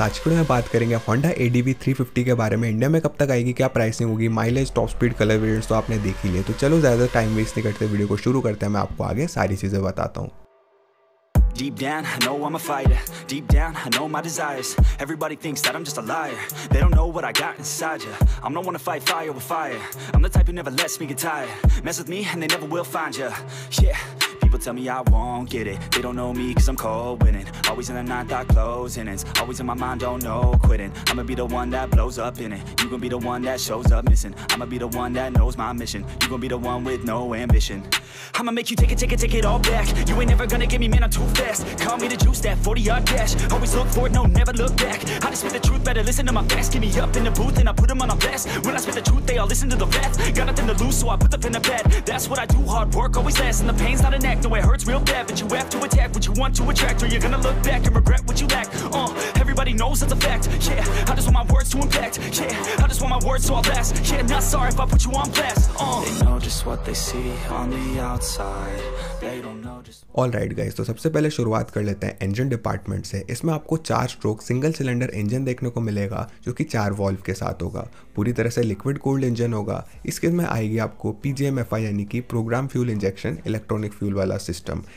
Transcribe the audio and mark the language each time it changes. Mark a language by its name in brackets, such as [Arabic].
[Hindi] आज के बात करेंगे होंडा ADV 350 के बारे में। इंडिया में कब तक आएगी, क्या प्राइसिंग होगी, mileage, top speed, colour variants तो आपने देख ही लिए। तो चलो ज्यादा टाइम वेस्ट नहीं करते, वीडियो को शुरू करते हैं। मैं आपको आगे सारी चीजें बताता हूँ। [English] Deep down, I know I'm a fighter. Deep down, I know my desires. Everybody thinks that I'm just a liar. They don't know what I got inside ya. I'm the one to fight fire with fire. I'm the type who never lets me get tired. Mess with me and they never will find ya. Yeah, people tell me I won't get it. They don't know me cause I'm cold winning. Always in the ninth, I close innings. Always in my mind, don't know quitting. I'ma be the one that blows up in it. You gon' be the one that shows up missing. I'ma be the one that knows my mission. You gon' be the one with no ambition. I'ma make you take it, take it, take it all back. You ain't never gonna get me, man, I'm too fast. Call me the juice, that 40-yard dash. Always look forward, no, never look back. I just spit the truth, better listen to my facts. Get me up in the booth and I put them on a vest. When I spit the truth, they all listen to the vest. Got nothing to lose, so I put them in the bed. That's what I do, hard work always lasts. And the pain's not an act, no, it hurts real bad. But you have to attack what you want to attract. Or you're gonna look back and regret what you lack. Everybody knows that's a fact, yeah. I just want my words to impact, yeah. I just want my words to all last, yeah. Not sorry if I put you on blast. They know just what they see on the outside. All right guys, [Hindi] तो सबसे पहले शुरुआत कर लेते हैं engine department से। इसमें आपको चार स्ट्रोक सिंगल सिलेंडर इंजन देखने को मिलेगा जो कि चार वॉल्व के साथ होगा, पूरी तरह से लिक्विड कूल्ड इंजन होगा। इसके में आएगी आपको PGMFI यानी कि programme fuel injection electronic fuel वाला सिस्टम।